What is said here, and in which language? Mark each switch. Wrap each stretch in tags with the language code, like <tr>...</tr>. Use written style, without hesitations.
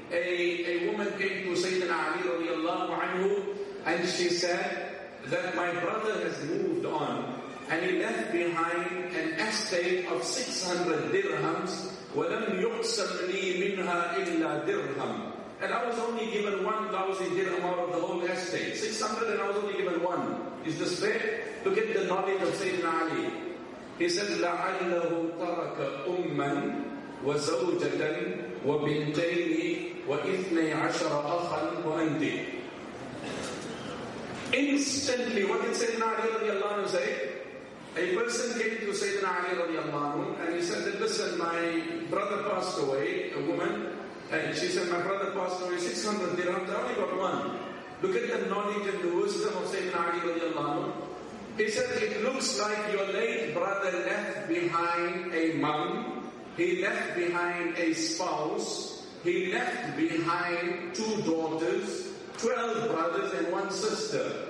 <en>A woman came to Sayyidina Ali radiallahu anhu, and she said that my brother has moved on, and he left behind an estate of 600 dirhams,</en> <ar>وَلَمْ يُقْسَمْ لِي مِنْهَا إِلَّا دِرْهَمْ.</ar> <en>And I was only given 1,000 dirham out of the whole estate. 600 and I was only given one. Is this fair? Look at the knowledge of Sayyidina Ali. He said,</en> <ar>لَعَلَّهُ تَرَكَ أُمَّنْ وَزَوْجَةً وَبِنْتَيْنِ وَإِثْنَيْ عَشَرَ أَخًا وَأَنْتِي.</ar> <en>Instantly, what did Sayyidina Ali radiallahu anhu say? A person came to Sayyidina Ali radiallahu anhu and he said, "Listen, my brother passed away," a woman, and she said, "My brother passed away, 600 dirhams, I only got one." Look at the knowledge and the wisdom of Sayyidina Ali radiallahu anhu. He said, "It looks like your late brother left behind a mum, he left behind a spouse, he left behind two daughters, 12 brothers and one sister."</en>